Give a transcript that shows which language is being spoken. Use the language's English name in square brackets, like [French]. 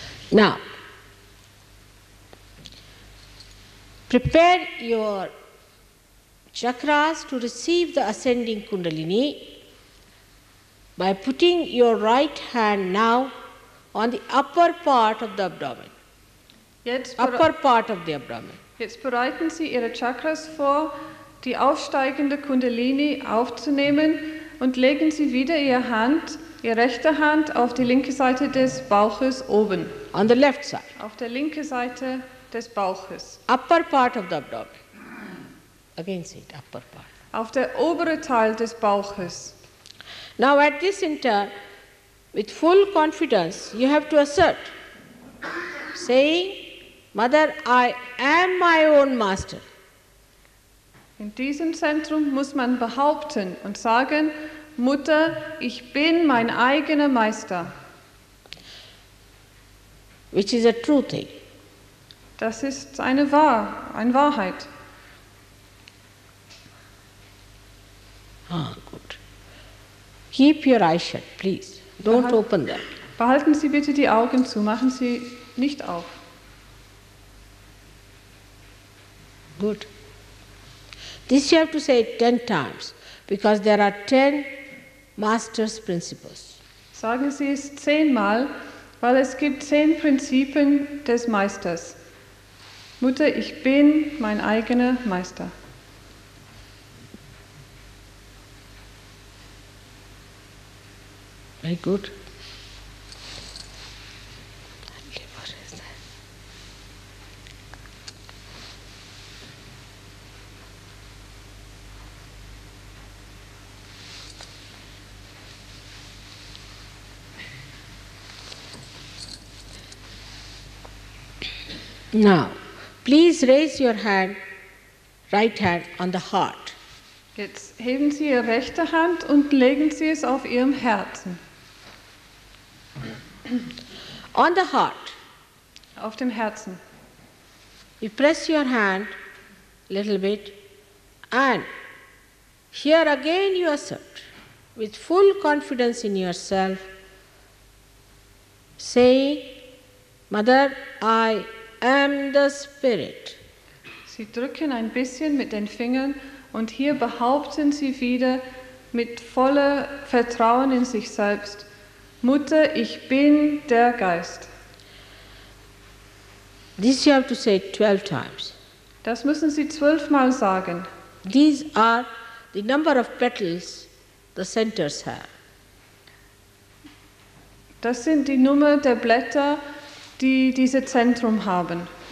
[English] Now, prepare your chakras to receive the ascending Kundalini by putting your right hand now on the upper part of the abdomen. [German] Jetzt bereiten Sie Ihre Chakras vor, die aufsteigende Kundalini aufzunehmen, und legen Sie wieder Ihre rechte Hand auf die linke Seite des Bauches oben. [English] On the left side. [German] Auf der linken Seite des Bauches. [English] Upper part of the abdomen. Again, see it, upper part. [German] Auf der obere Teil des Bauches. [English] Now at this center, with full confidence, you have to assert, saying, Mother, I am my own master. [German] In diesem Zentrum muss man behaupten und sagen, Mutter, ich bin mein eigener Meister. [English] Which is a true thing. [German] Das ist eine Wahrheit. Ah, gut. [English] Keep your eyes shut, please. Don't open them. [German] Behalten Sie bitte die Augen zu. Machen Sie nicht auf. [English] Good. This you have to say 10 times, because there are 10 master's principles. [German] Sagen Sie es 10-mal, weil es gibt 10 Prinzipien des Meisters. Mutter, ich bin mein eigener Meister. [English] Very good. Now, please raise your hand, right hand on the heart. [German] Jetzt heben Sie Ihre rechte Hand und legen Sie es auf Ihrem Herzen. [English] On the heart. [German] Auf dem Herzen. [English] You press your hand a little bit and here again you assert with full confidence in yourself, saying, Mother, I am the Spirit. [German] Sie drücken ein bisschen mit den Fingern und hier behaupten Sie wieder mit voller Vertrauen in sich selbst, Mutter, ich bin der Geist. [English] This you have to say 12 times. [German] Das müssen Sie 12 Mal sagen. [English] These are the number of petals the centers have. [German] Das sind die Nummer der Blätter, die diese Zentrum haben.